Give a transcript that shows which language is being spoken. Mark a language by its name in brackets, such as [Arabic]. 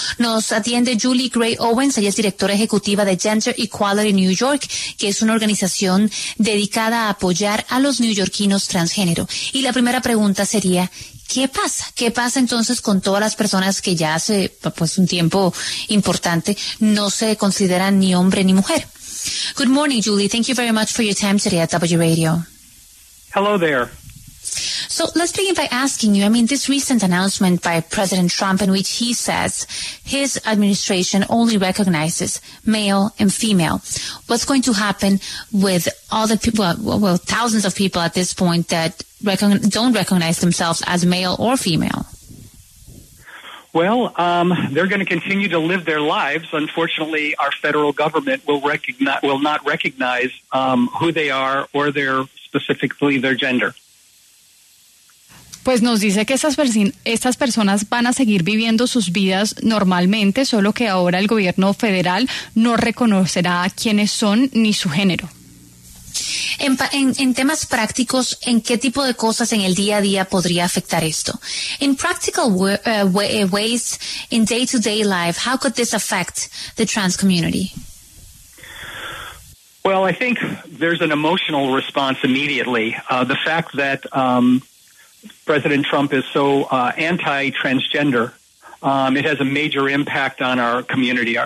[Spanish] Nos atiende Julie Gray Owens, ella es directora ejecutiva de Gender Equality New York, que es una organización dedicada a apoyar a los neoyorquinos transgénero. Y la primera pregunta sería, ¿qué pasa? ¿Qué pasa entonces con todas las personas que ya hace pues un tiempo importante no se consideran ni hombre ni mujer? [English] Good morning, Julie. Thank you very much for your time today at W Radio. Hello there. So let's begin by asking you, I mean, this recent announcement by President Trump in which he says his administration only recognizes male and female. What's going to happen with all the people, well, thousands of people at this point that don't recognize themselves as male or female? Well, they're going to continue to live their lives. Unfortunately, our federal government will not recognize who they are or specifically their gender. [Spanish] Pues nos dice que estas personas van a seguir viviendo sus vidas normalmente, solo que ahora el gobierno federal no reconocerá quiénes son ni su género. En temas prácticos, ¿en qué tipo de cosas en el día a día podría afectar esto? [English] In practical ways, in day-to-day life, how could this affect the trans community? Well, I think there's an emotional response immediately. The fact that President Trump is so anti-transgender, it has a major impact on our community.